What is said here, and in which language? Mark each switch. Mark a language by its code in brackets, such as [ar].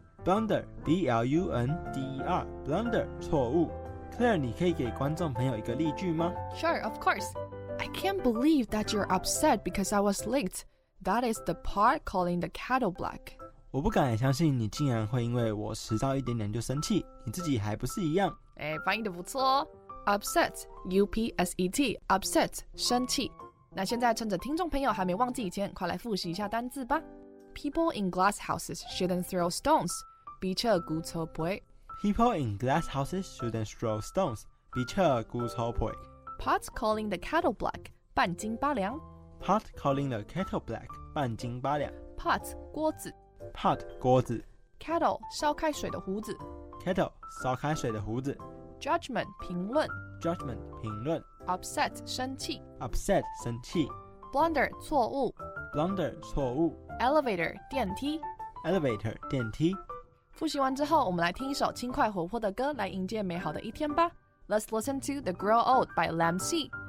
[en] Blunder, B-L-U-N-D-E-R, blunder, 错误。 [zh] Claire, 你可以给观众朋友一个例句吗？ [en] Sure, of course. I can't believe that you're upset because I was late. That is the pot calling the kettle black. [zh] 我不敢相信你竟然会因为我迟到一点点就生气，你自己还不是一样？哎，翻译的不错哦。 [en] Upset, U-P-S-E-T, upset, [zh] 生气。那现在趁着听众朋友还没忘记以前，快来复习一下单字吧。 [en] People in glass houses shouldn't throw stones. [zh] 比车骨粗皮。 [en] People in glass houses shouldn't throw stones. [zh] 比车骨粗皮。 [en] Pot calling the kettle black, [zh] 半斤八两。 [en] Pot calling the kettle black, [zh] 半斤八两。 [en] Pot, 锅子。 Pot 锅子，Kettle 烧开水的壶子，Kettle 烧开水的壶子，Judgment 评论，Judgment 评论，Upset 生气，Upset 生气，Blunder 错误，Blunder 错误，Elevator 电梯，Elevator 电梯。 [zh] 复习完之后，我们来听一首轻快活泼的歌来迎接美好的一天吧。 [en] Let's listen to "The Grow Old" by Lam C。